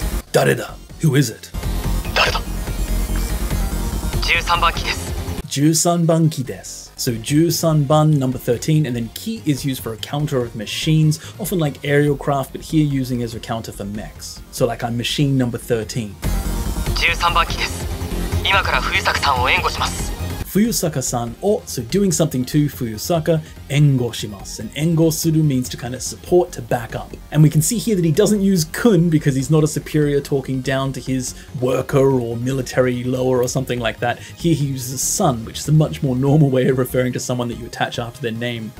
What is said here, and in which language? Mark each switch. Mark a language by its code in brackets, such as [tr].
[ja] Dare da? [en] Who is it? [ja] 13番機です。13番機です。 [en] So 13番, number 13, and then ki is used for a counter of machines, often like aerial craft, but here using as a counter for mechs. So like on machine number 13. [ja] 13番機です。今から冬坂さんを援護します。冬坂さん, [en] or, so doing something to 冬坂, [ja] 援護します. [en] And 援護する means to kind of support, to back up. And we can see here that he doesn't use kun because he's not a superior talking down to his worker or military lower or something like that. Here he uses son, which is a much more normal way of referring to someone that you attach after their name.